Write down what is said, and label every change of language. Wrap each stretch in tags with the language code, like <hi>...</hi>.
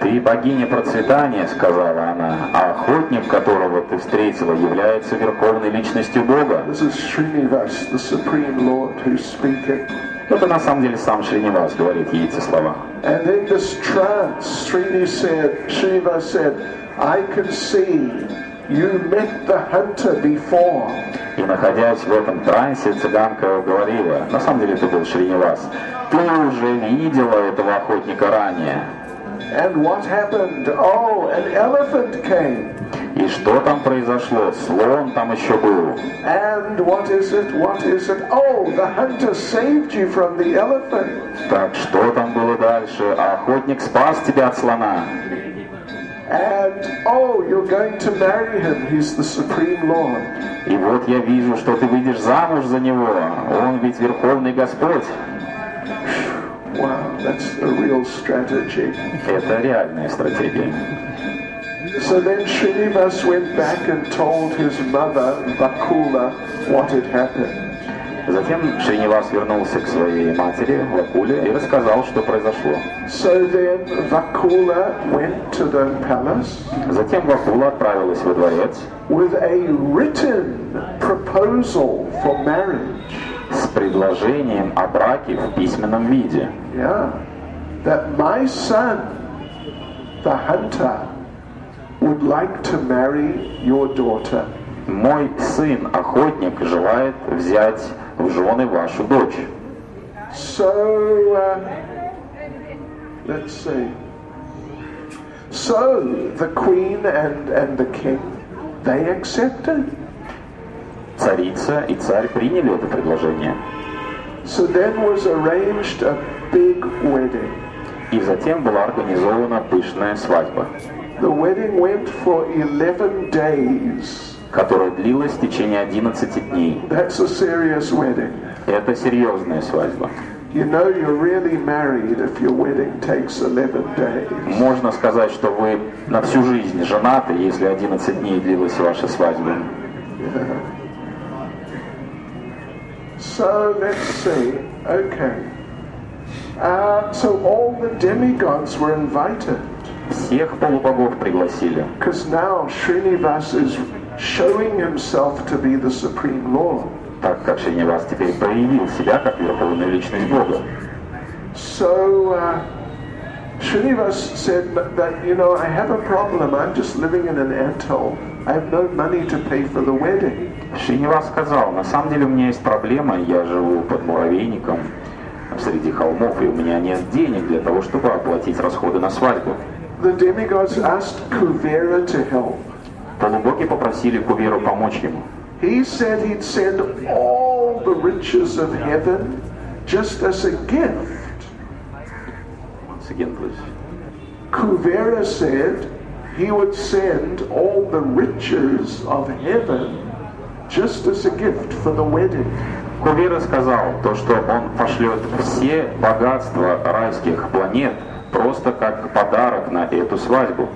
<ru>Ты богиня процветания, сказала она, а охотник, которого ты встретила, является верховной личностью Бога.</ru> <en>This is Shrinivas, the supreme lord who's speaking.</en> <ru>Это на самом деле сам Шринивас говорит ей эти слова.</ru> <en>And in this trance, Shrinivas said, I can see you met the hunter before.</en> <ru>И находясь в этом трансе, цыганка говорила, на самом деле это был Шринивас, ты уже видела этого охотника ранее.</ru> <en>And what happened? Oh, an elephant came.</en> <ru>И что там произошло? Слон там еще был.</ru> <en>And what is it? What is it? Oh, the hunter saved you from the elephant.</en> <ru>Так что там было дальше? Охотник спас тебя от слона.</ru> <en>And oh, you're going to marry him. He's the supreme lord.</en> <ru>И вот я вижу, что ты выйдешь замуж за него. Он ведь верховный господь.</ru> <en>Wow, that's a real strategy.</en> <ru>Это реальная стратегия.</ru> <en>So then Shrinivas went back and told his mother, Vakula, what had happened.</en> <ru>Затем Шринивас вернулся к своей матери, Вакуле, и рассказал, что произошло.</ru> <en>So then Vakula went to the palace.</en> <ru>Затем Вакула отправилась во дворец.</ru> <en>With a written proposal for marriage.</en> <ru>С предложением о браке в письменном виде.</ru> <en>Yeah. That my son, the hunter, would like to marry your daughter.</en> <ru>Мой сын, охотник, желает взять в жены вашу дочь.</ru> <en>So, let's see. So, the queen and the king, they accepted.</en> <ru>Царица и царь приняли это предложение.</ru> <en>So then was arranged a big wedding.</en> <ru>И затем была организована пышная свадьба.</ru> <en>The wedding went for 11 days.</en> <ru>Которая длилась в течение 11 дней.</ru> <en>That's a serious wedding.</en> <ru>Это серьезная свадьба.</ru> <en>You know you're really married if your wedding takes 11 days.</en> <ru>Можно сказать, что вы на всю жизнь женаты, если 11 дней длилась ваша свадьба.</ru> <en>So let's see. Okay. So all the demigods were invited.</en> <ru>Всех полубогов пригласили.</ru> <en>Because now Srinivas is showing himself to be the supreme lord.</en> <ru>Так как Шринивас теперь проявил себя как верховная личность Бога.</ru> <en>So Srinivas said that, you know, I have a problem. I'm just living in an ant hill. I have no money to pay for the wedding.</en> <ru>Шринивас сказал: на самом деле у меня есть проблема. Я живу под муравейником среди холмов, и у меня нет денег для того, чтобы оплатить расходы на свадьбу.</ru> <en>The demigods asked Kuvera to help.</en> <ru>Полубоги попросили Куверу помочь ему.</ru> <en>He said he'd send all the riches of heaven just as a gift. Once again, please. Kuvera said he would send all the riches of heaven just as a gift for the wedding.</en> <ru>Кувера сказал то, что он пошлет все богатства райских планет просто как подарок на эту свадьбу.</ru>